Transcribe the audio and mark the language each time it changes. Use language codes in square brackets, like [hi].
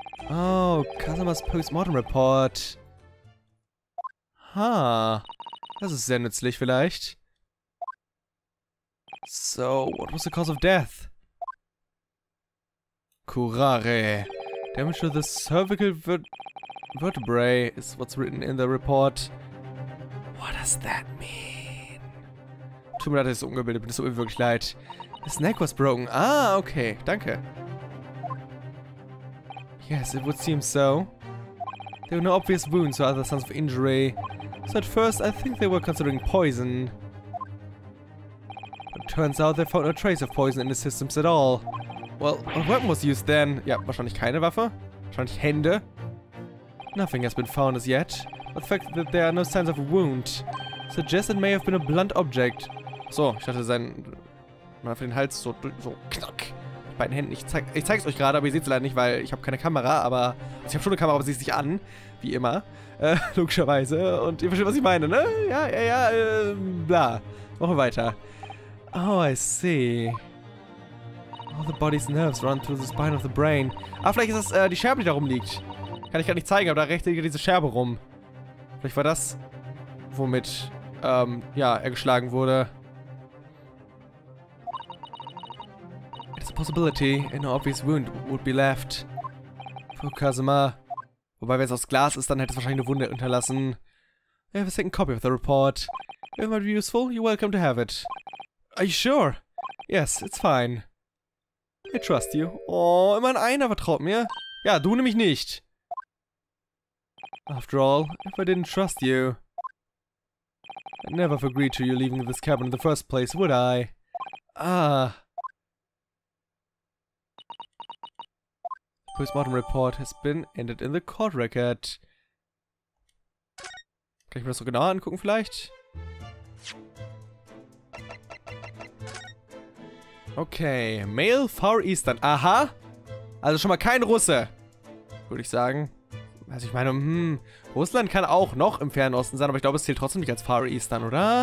[en] Oh, Kazuma's post-mortem report. [de] Ha, das ist sehr nützlich vielleicht. [en] So, what was the cause of death? Curare. Damage to the cervical vertebrae is what's written in the report. What does that mean? [de] Tut mir leid, dass ich so ungebildet bin. Es tut mir wirklich leid. [en] His neck was broken. Ah, okay. Danke. Yes, it would seem so. There were no obvious wounds or other signs of injury. So at first, I think they were considering poison. But turns out they found no trace of poison in the systems at all. Well, what weapon was used then? [de] Ja, wahrscheinlich keine Waffe. Wahrscheinlich Hände. [en] Nothing has been found as yet. But the fact that there are no signs of a wound suggests it may have been a blunt object. [de] So, ich hatte sein... Mal für den Hals so... So, knack. Beiden Händen. Ich zeige es euch gerade, aber ihr seht es leider nicht, weil ich habe keine Kamera, aber... Also ich habe schon eine Kamera, aber sie sieht sich an. Wie immer. Logischerweise. Und ihr versteht, was ich meine, ne? Ja, bla. Machen wir weiter. [en] Oh, I see. All the body's nerves run through the spine of the brain. [de] Ah, vielleicht ist das die Scherbe, die da rumliegt. Kann ich gar nicht zeigen, aber da rechts liegt diese Scherbe rum. Vielleicht war das, womit, ja, er geschlagen wurde. [en] It's a possibility. An obvious wound would be left. Poor Kazuma. [de] Wobei, wenn es aus Glas ist, dann hätte es wahrscheinlich eine Wunde unterlassen. [en] I have a second copy of the report. If it might be useful, you're welcome to have it. Are you sure? Yes, it's fine. I trust you. [de] Oh, immerhin einer vertraut mir. Ja, du nämlich nicht. [en] After all, if I didn't trust you, I'd never have agreed to you leaving this cabin in the first place, would I? The postmortem report has been ended in the court record. [de] Kann ich mir das so genauer angucken vielleicht? Okay, Male Far Eastern, aha! Also schon mal kein Russe, würde ich sagen. Also ich meine, Russland kann auch noch im Fernen Osten sein, aber ich glaube, es zählt trotzdem nicht als Far Eastern, oder?